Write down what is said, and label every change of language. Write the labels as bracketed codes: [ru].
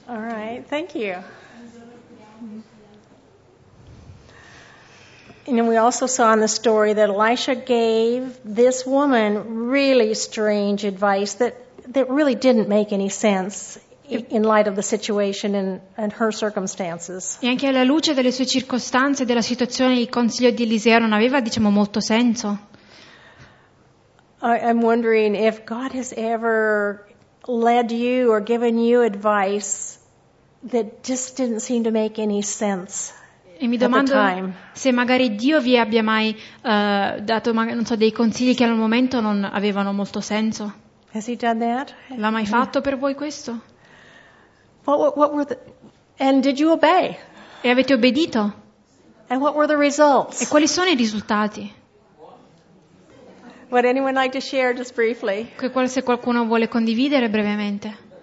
[en] All right, thank you. Mm-hmm. And we also saw in the story that Elisha gave this woman really strange advice that really didn't make any sense in light of the situation and her circumstances. [it] E anche alla luce delle sue circostanze e della situazione, il consiglio di Eliseo non aveva, diciamo, molto senso. [en] I'm wondering if God has ever led you or given you advice that just didn't seem to make any sense. [it] E mi domando se magari Dio vi abbia mai dato, non so, dei consigli che al momento non avevano molto senso. [en] Has he done that? [it] L'ha mai fatto per voi questo? [en] What were and did you obey? [it] E avete obbedito? [en] And what were the results? [it] E quali sono i risultati? [en] Would anyone like to share just briefly? [it] Se qualcuno vuole condividere brevemente.